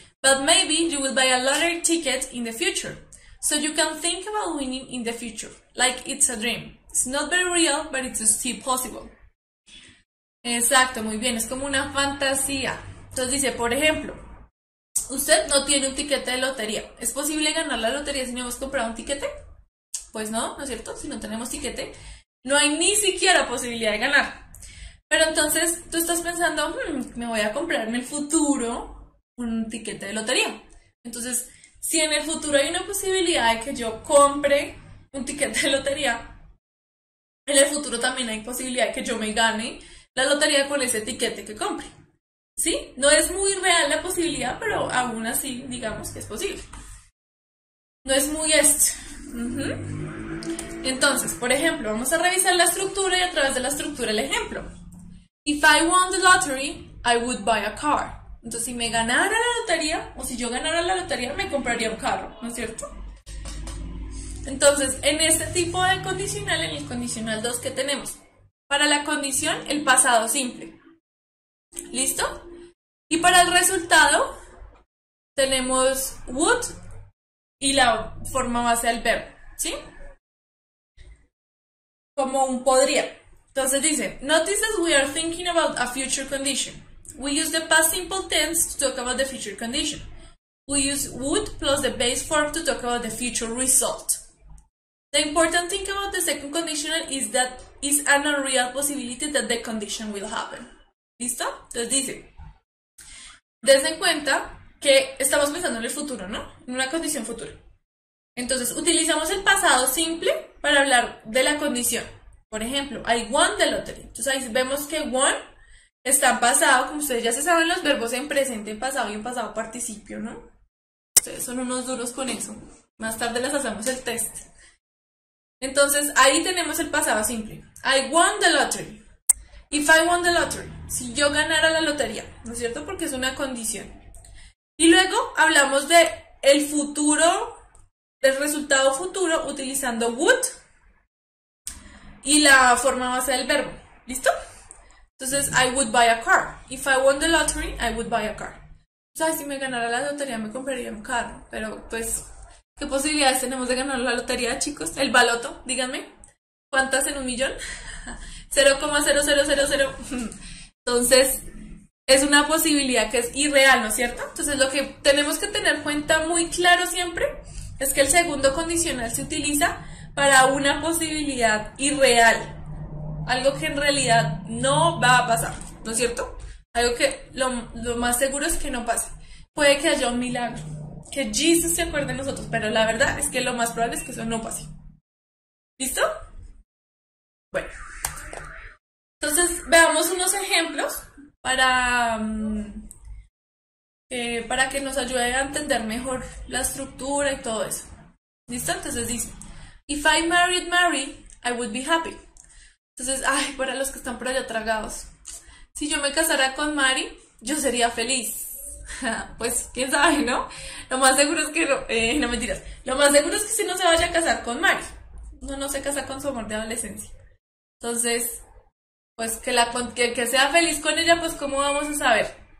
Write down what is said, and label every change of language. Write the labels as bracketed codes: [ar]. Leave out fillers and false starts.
[en] But maybe you will buy a lottery ticket in the future. So you can think about winning in the future. Like it's a dream. It's not very real, but it's still possible. [es] Exacto, muy bien. Es como una fantasía. Entonces dice, por ejemplo, usted no tiene un tiquete de lotería. ¿Es posible ganar la lotería si no hemos comprado un tiquete? Pues no, ¿no es cierto? Si no tenemos tiquete, no hay ni siquiera posibilidad de ganar. Pero entonces tú estás pensando, me voy a comprar en el futuro un tiquete de lotería. Entonces, si en el futuro hay una posibilidad de que yo compre un tiquete de lotería, en el futuro también hay posibilidad de que yo me gane la lotería con ese tiquete que compre. ¿Sí? No es muy real la posibilidad, pero aún así digamos que es posible. No es muy esto. Entonces, por ejemplo, vamos a revisar la estructura y a través de la estructura el ejemplo. [en] If I won the lottery, I would buy a car. [es] Entonces, si me ganara la lotería, o si yo ganara la lotería, me compraría un carro, ¿no es cierto? Entonces, en este tipo de condicional, en el condicional 2, ¿qué tenemos? Para la condición, el pasado simple. ¿Listo? Y para el resultado, tenemos would y la forma base del verbo, ¿sí? Como un podría. Entonces dice, [en] notice that we are thinking about a future condition. We use the past simple tense to talk about the future condition. We use would plus the base form to talk about the future result. The important thing about the second conditional is that it's an unreal possibility that the condition will happen. [es] ¿Listo? Entonces dice, dense en cuenta que estamos pensando en el futuro, ¿no? En una condición futura. Entonces, utilizamos el pasado simple para hablar de la condición. Por ejemplo, [en] I won the lottery. [es] Entonces, ahí vemos que won está en pasado, como ustedes ya se saben, los verbos en presente, en pasado y en pasado participio, ¿no? Ustedes son unos duros con eso. Más tarde les hacemos el test. Entonces, ahí tenemos el pasado simple. [en] I won the lottery. If I won the lottery. [es] Si yo ganara la lotería, ¿no es cierto? Porque es una condición. Y luego hablamos de el futuro, del resultado futuro, utilizando would y la forma base del verbo. ¿Listo? [en] Entonces, I would buy a car. If I won the lottery, I would buy a car. [es] O sea, si me ganara la lotería, me compraría un carro. Pero, pues, ¿qué posibilidades tenemos de ganar la lotería, chicos? El baloto, díganme. ¿Cuántas en un millón? 0,0000. Entonces, es una posibilidad que es irreal, ¿no es cierto? Entonces, lo que tenemos que tener en cuenta muy claro siempre es que el segundo condicional se utiliza para una posibilidad irreal. Algo que en realidad no va a pasar, ¿no es cierto? Algo que lo más seguro es que no pase. Puede que haya un milagro, que Jesús se acuerde de nosotros, pero la verdad es que lo más probable es que eso no pase. ¿Listo? Bueno. Entonces, veamos unos ejemplos para que nos ayude a entender mejor la estructura y todo eso. ¿Listo? Entonces dice, [en] if I married Mary, I would be happy. [es] Entonces, ay, para los que están por allá tragados. Si yo me casara con Mary, yo sería feliz. Pues, quién sabe, ¿no? Lo más seguro es que no, no mentiras. Lo más seguro es que si no se vaya a casar con Mary. Uno no se casa con su amor de adolescencia. Entonces, pues que sea feliz con ella, pues ¿cómo vamos a saber?